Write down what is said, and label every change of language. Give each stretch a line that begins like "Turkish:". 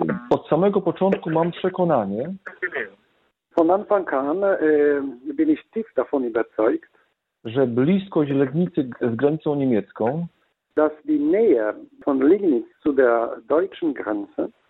Polish: Od samego początku mam przekonanie.
German: Von Anfang an bin ich tief davon überzeugt,
Polish: że bliskość Legnicy z granicą niemiecką,
German: dass die Nähe von Legnitz zu der deutschen Grenze,